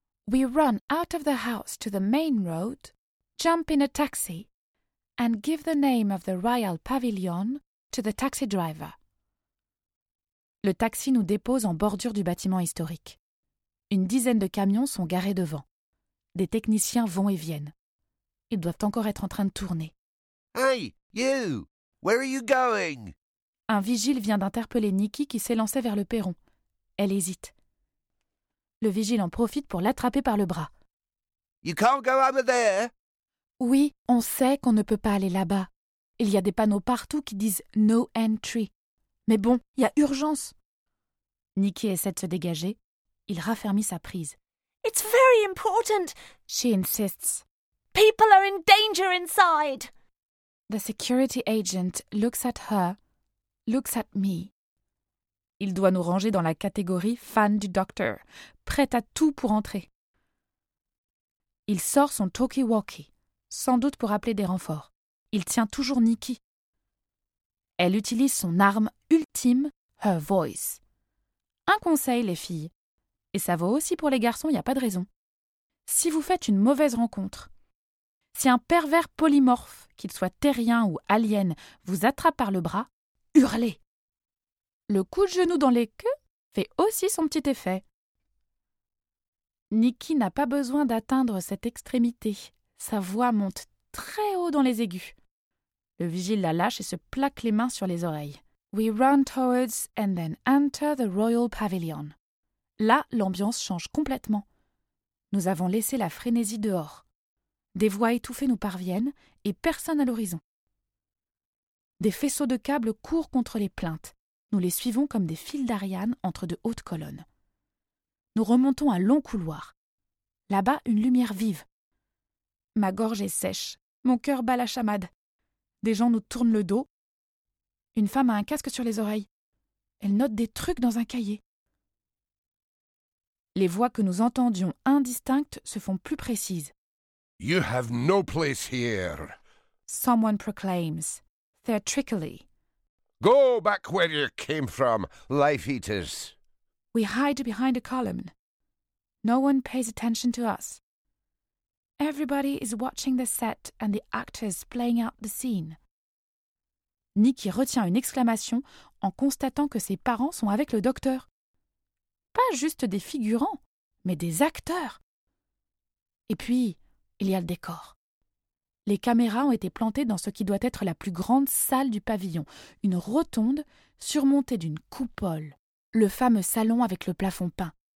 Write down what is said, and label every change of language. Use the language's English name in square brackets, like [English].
[English] We run out of the house to the main road, jump in a taxi, and give the name of the Royal Pavilion to the taxi driver. [French] Le taxi nous dépose en bordure du bâtiment historique. Une dizaine de camions sont garés devant. Des techniciens vont et viennent. Ils doivent encore être en train de tourner. [English] Hey, you! Where are you going? [French] Un vigile vient d'interpeller Nikki qui s'élançait vers le perron. Elle hésite. Le vigile en profite pour l'attraper par le bras. [English] You can't go over there. [French] Oui, on sait qu'on ne peut pas aller là-bas. Il y a des panneaux partout qui disent « [English] no entry ». [French] Mais bon, il y a urgence. Nikki essaie de se dégager. Il raffermit sa prise. [English] It's very important, she insists. People are in danger inside. The security agent looks at her, looks at me. [French] Il doit nous ranger dans la catégorie fan du docteur, prête à tout pour entrer. Il sort son talkie-walkie, sans doute pour appeler des renforts. Il tient toujours Nikki. Elle utilise son arme ultime, [English] her voice. [French] Un conseil, les filles. Et ça vaut aussi pour les garçons, il n'y a pas de raison. Si vous faites une mauvaise rencontre, si un pervers polymorphe, qu'il soit terrien ou alien, vous attrape par le bras, hurlez. Le coup de genou dans les queues fait aussi son petit effet. Nikki n'a pas besoin d'atteindre cette extrémité. Sa voix monte très haut dans les aigus. Le vigile la lâche et se plaque les mains sur les oreilles. [English] We run towards and then enter the Royal Pavilion. [French] Là, l'ambiance change complètement. Nous avons laissé la frénésie dehors. Des voix étouffées nous parviennent et personne à l'horizon. Des faisceaux de câbles courent contre les plinthes. Nous les suivons comme des fils d'Ariane entre de hautes colonnes. Nous remontons un long couloir. Là-bas, une lumière vive. Ma gorge est sèche. Mon cœur bat la chamade. Des gens nous tournent le dos. Une femme a un casque sur les oreilles. Elle note des trucs dans un cahier. Les voix que nous entendions indistinctes se font plus précises. [English] You have no place here. Someone proclaims, theatrically. Go back where you came from, life eaters. We hide behind a column. No one pays attention to us. Everybody is watching the set and the actors playing out the scene. [French] Nikki retient une exclamation en constatant que ses parents sont avec le docteur. Pas juste des figurants, mais des acteurs. Et puis, il y a le décor. Les caméras ont été plantées dans ce qui doit être la plus grande salle du pavillon, une rotonde surmontée d'une coupole, le fameux salon avec le plafond peint.